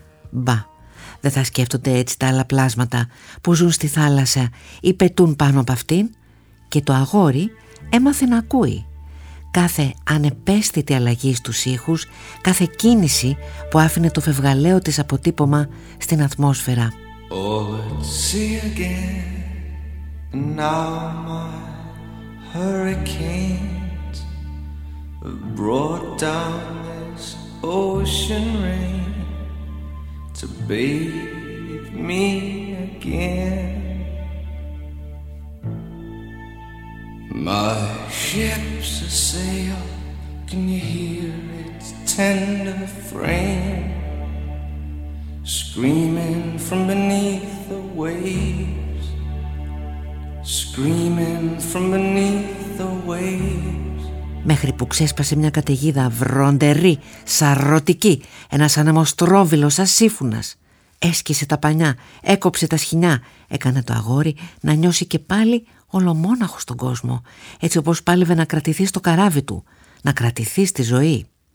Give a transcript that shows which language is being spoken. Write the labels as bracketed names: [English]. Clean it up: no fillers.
[Greek] Μπα, δεν θα σκέφτονται έτσι τα άλλα πλάσματα που ζουν στη θάλασσα ή πετούν πάνω από αυτήν. Και το αγόρι έμαθε να ακούει. Κάθε ανεπαίσθητη αλλαγή στους ήχους, κάθε κίνηση που άφηνε το φευγαλαίο της αποτύπωμα στην ατμόσφαιρα. [English] Oh, it's sea again. Now my hurricane brought down this ocean rain to bathe me again. My ship's a sail, Can you hear its tender frame screaming from beneath the waves? Screaming from beneath the waves. [Greek] Μέχρι που ξέσπασε μια καταιγίδα βροντερή, σαρρωτική, ένας ανεμοστρόβιλος ασύφουνας. Έσκισε τα πανιά, έκοψε τα σχοινιά, έκανε το αγόρι να νιώσει και πάλι ολομόναχο στον κόσμο, έτσι όπως πάλευε να κρατηθεί στο καράβι του, να κρατηθεί στη ζωή.